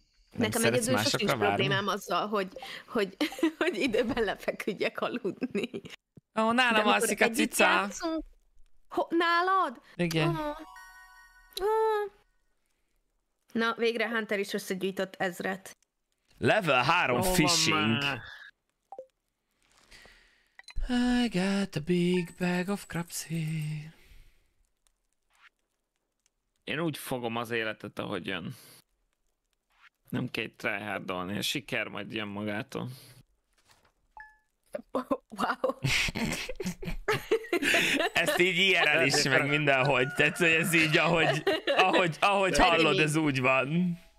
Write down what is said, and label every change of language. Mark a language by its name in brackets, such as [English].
[Hungarian] Nekem egyedül sosem is problémám azzal, hogy időben lefeküdjek aludni. Ó, oh, nálam alszik a cica! Nálad? Igen. Na, végre Hunter is összegyűjtött ezret. [English] Level 3 fishing! I got a big bag of crabs here. [Hungarian] Én úgy fogom az életet, ahogy jön. Nem kell egy tryhardolni, a siker majd jön magától. [English] Wow. [Hungarian] Ezt így IRL is, meg mindenhogy. Tehát, hogy ez így, ahogy hallod, ez úgy van.